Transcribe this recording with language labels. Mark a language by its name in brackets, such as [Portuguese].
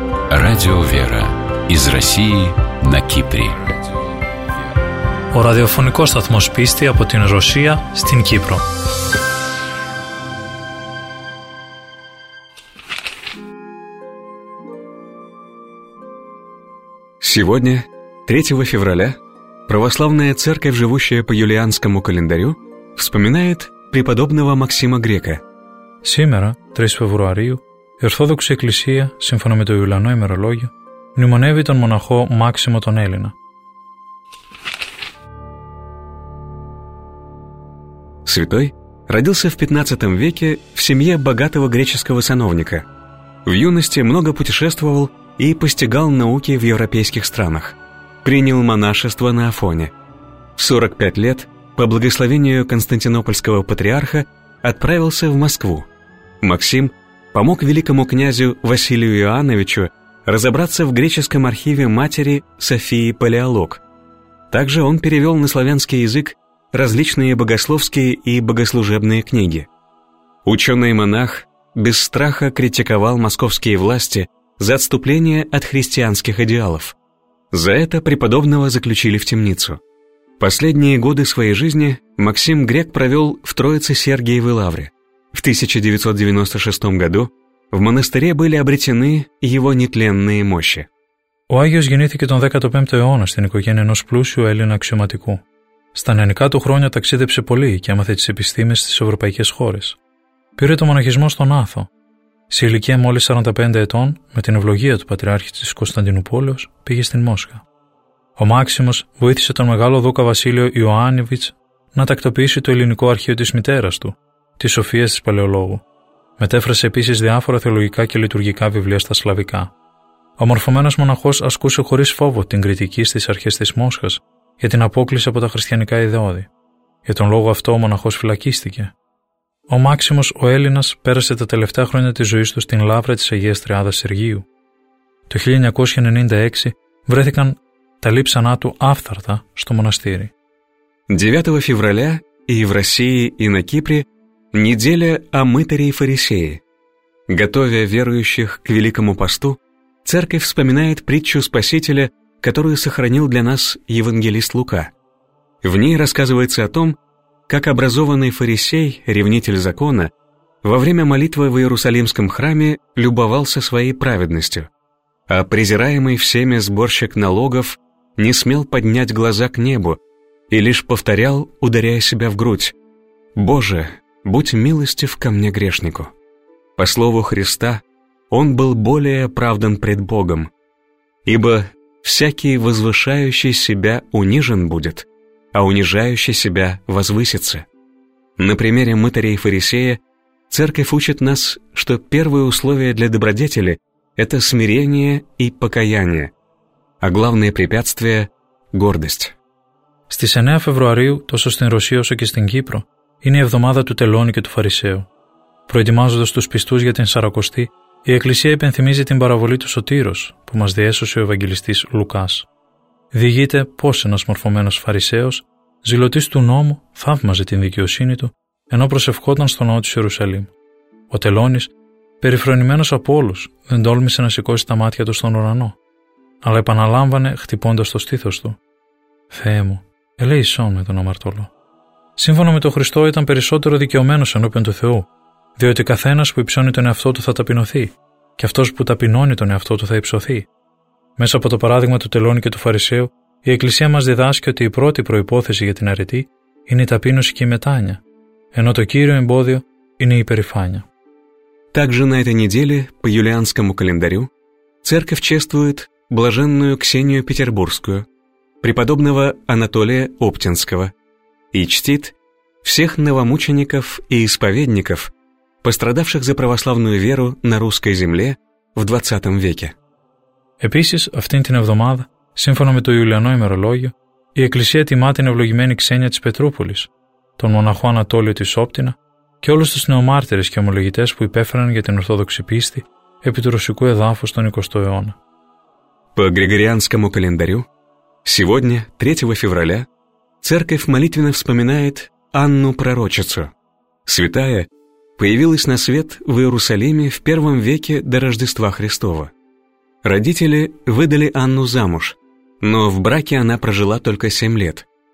[Russian] Радио «Вера» из России на Кипре. [Greek] Ο ραδιοφωνικός σταθμός πίστη από την Ρωσία στην Κύπρο. [Russian] Сегодня, 3 февраля, православная церковь, живущая по юлианскому календарю, вспоминает преподобного Максима Грека. Сегодня, 3 февраля, [Greek] Ορθόδοξη Εκκλησία, σύμφωνα με το Ιουλιανό ημερολόγιο, μνημονεύει τον μοναχό Μάξιμο τον Έλληνα. [Russian] Святой родился в 15 веке в семье богатого греческого сановника. В юности много путешествовал и постигал науки в европейских странах. Принял монашество на Афоне. В 45 лет, по благословению Константинопольского патриарха, отправился в Москву. Максим помог великому князю Василию Иоанновичу разобраться в греческом архиве матери Софии Палеолог. Также он перевел на славянский язык различные богословские и богослужебные книги. Ученый-монах без страха критиковал московские власти за отступление от христианских идеалов. За это преподобного заключили в темницу. Последние годы своей жизни Максим Грек провел в Троице-Сергиевой лавре. В 1996 году в монастыре были обретены его нетленные мощи. [Greek] Ο Άγιος γεννήθηκε τον 15ο αιώνα στην οικογένεια ενός πλούσιου Έλληνα αξιωματικού. Στα νεανικά του χρόνια ταξίδεψε πολύ και έμαθε τις επιστήμες στις ευρωπαϊκές χώρες. Πήρε το μοναχισμό στον Άθο. Σε ηλικία μόλις 45 ετών, με την ευλογία του Πατριάρχη της Κωνσταντινούπολης, πήγε στην Μόσχα. Ο Μάξιμος βοήθησε τον μεγάλο δούκα Βασίλειο Ιωάννιβιτς να τακτοποιήσει το ελληνικό αρχείο της μητέρας του, τη Σοφία της Παλαιολόγου. Μετέφρασε επίσης διάφορα θεολογικά και λειτουργικά βιβλία στα σλαβικά. Ο μορφωμένος μοναχός ασκούσε χωρίς φόβο την κριτική στις αρχές της Μόσχας για την απόκληση από τα χριστιανικά ιδεώδη. Για τον λόγο αυτό ο μοναχός φυλακίστηκε. Ο Μάξιμος, ο Έλληνας, πέρασε τα τελευταία χρόνια της ζωής του στην Λαύρα της Αγίας Τριάδας Σεργίου. Το 1996 βρέθηκαν τα λείψανά του άφθαρτα στο μοναστήρι. 9 Φεβρουαρία [Russian] и в России, и на Кипре неделя о мытаре и фарисее. Готовя верующих к великому посту, церковь вспоминает притчу Спасителя, которую сохранил для нас евангелист Лука. В ней рассказывается о том, как образованный фарисей, ревнитель закона, во время молитвы в Иерусалимском храме любовался своей праведностью, а презираемый всеми сборщик налогов не смел поднять глаза к небу и лишь повторял, ударяя себя в грудь: «Боже, будь милостив ко мне грешнику». По слову Христа, он был более оправдан пред Богом, ибо «всякий возвышающий себя унижен будет», а унижающий себя возвысится. На примере мытаря и фарисея церковь учит нас, что первое условие для добродетели – это смирение и покаяние, а главное препятствие – гордость. [Greek] Στις 9 Φεβρουαρίου, τόσο στην Ρωσία όσο και στην Κύπρο, είναι η εβδομάδα του τελώνη και του φαρισαίου. Προετοιμάζοντας τους πιστούς για την Σαρακοστή, η Εκκλησία υπενθυμίζει την παραβολή του Σωτήρος που μας διέσωσε ο Ευαγγελιστής Λουκάς. Διηγείται πως ένας μορφωμένος φαρισαίος, ζηλωτής του νόμου, θαύμαζε την δικαιοσύνη του, ενώ προσευχόταν στο ναό της Ιερουσαλήμ. Ο τελώνης, περιφρονημένος από όλους, δεν τόλμησε να σηκώσει τα μάτια του στον ουρανό, αλλά επαναλάμβανε χτυπώντας το στήθος του: «Θεέ μου, ελέησόν με τον αμαρτωλό». Σύμφωνα με τον Χριστό, ήταν περισσότερο δικαιωμένος ενώπιον του Θεού, διότι καθένας που υψώνει τον εαυτό του θα ταπεινωθεί, και αυτός που ταπεινώνει τον εαυτό του θα υψωθεί. Μέσα από το παράδειγμα του τελώνη και του φαρισαίου, η Εκκλησία μας διδάσκει ότι η πρώτη προϋπόθεση για την αρετή είναι η ταπείνωση και η μετάνοια, ενώ το κύριο εμπόδιο είναι η υπερηφάνεια. [Russian] Также на этой неделе по юлианскому календарю церковь чествует блаженную Ксению Петербургскую, преподобного Анатолия Оптинского, и чтит всех новомучеников и исповедников, пострадавших за православную веру на русской земле в 20 веке. [Greek] Επίσης, αυτήν την εβδομάδα, σύμφωνα με το Ιουλιανό ημερολόγιο, η Εκκλησία τιμά την ευλογημένη Ξένια της Πετρούπολης, τον μοναχό Ανατόλιο της Όπτινα και όλους τους νεομάρτυρες και ομολογητές που υπέφεραν για την Ορθόδοξη πίστη επί του ρωσικού εδάφους τον 20ο αιώνα. [Russian] По Григорианскому календарю, сегодня, 3 февраля, церковь молитвенно вспоминает Анну Пророчицу. Святая появилась на свет в Иерусалиме в 1 веке до Рождества Христова. родители выдали Анну замуж, но в браке она прожила только 7 лет.